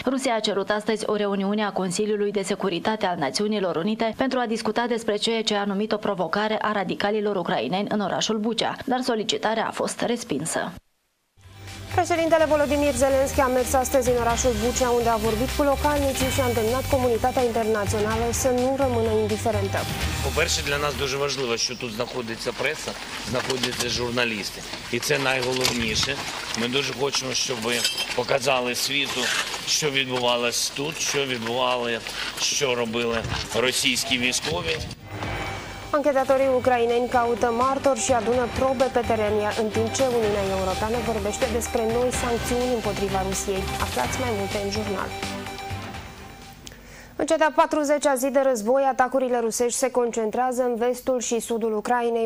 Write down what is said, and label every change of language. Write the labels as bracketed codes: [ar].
[ro] Rusia a cerut astăzi o reuniune a Consiliului de Securitate al Națiunilor Unite pentru a discuta despre ceea ce a numit o provocare a radicalilor ucraineni în orașul Bucea, dar solicitarea a fost respinsă. Președintele Volodymyr Zelensky a mers astăzi în orașul Bucea, unde a vorbit cu localnicii și a îndemnat comunitatea internațională să nu rămână indiferentă. [uk] По-перше, для нас дуже важливо, що тут знаходиться преса, знаходяться журналісти. І це найголовніше. Ми дуже хочемо, щоб показали світу, що відбувалось тут, що відбували, що робили російські військові. [ro] Anchetatorii ucraineni caută martori și adună probe pe teren, în timp ce Uniunea Europeană vorbește despre noi sancțiuni împotriva Rusiei. Aflați mai multe în jurnal. În cea de-a 40-a zi de război, atacurile rusești se concentrează în vestul și sudul Ucrainei.